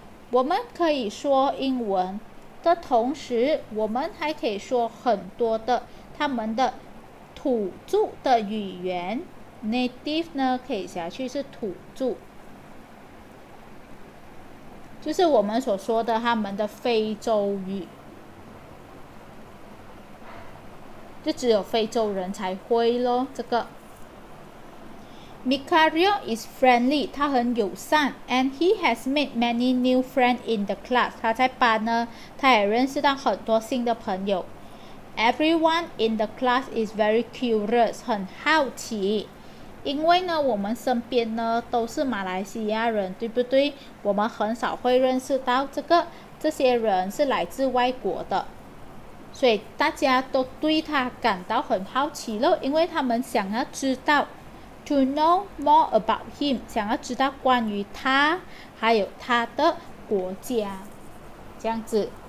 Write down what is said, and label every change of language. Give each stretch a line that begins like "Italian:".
Chinese: 我们可以说英文的同时，我们还可以说很多的他们的土著的语言。 native 呢，可以下去是土著。就是我们所说的他们的非洲语，就只有非洲人才会咯。这个
English: Mikario is friendly,
Chinese: 他很友善
English: and he has made many new friends in the class.
Chinese: 他在班呢，他也认识到很多新的朋友。
English: Everyone in the class is very curious,
Chinese: 很好奇。因为呢，我们身边呢都是马来西亚人，对不对？我们很少会认识到这些人是来自外国的，所以大家都对他感到很好奇了。因为他们想要知道
English: to know more about him，
Chinese: 想要知道关于他还有他的国家，这样子。